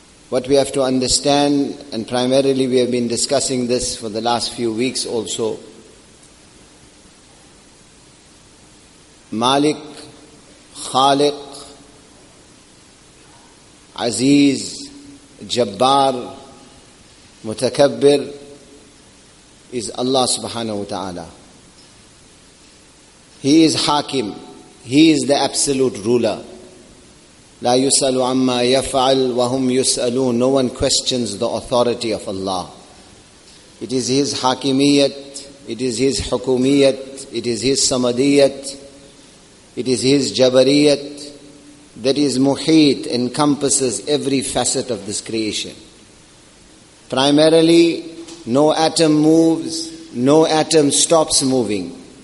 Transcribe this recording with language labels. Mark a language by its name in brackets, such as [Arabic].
[English] What we have to understand, and primarily we have been discussing this for the last few weeks also, Malik, Khaliq, Aziz, Jabbar, Mutakabbir is Allah subhanahu wa ta'ala. He is Hakim. He is the absolute ruler. [Arabic] لا يسأل عما يفعل وهم يسألون. [English] No one questions the authority of Allah. It is His hakimiyat, it is His hukumiyat, it is His samadiyat, it is His jabariyat that is muhit, encompasses every facet of this creation. Primarily, no atom moves, no atom stops moving.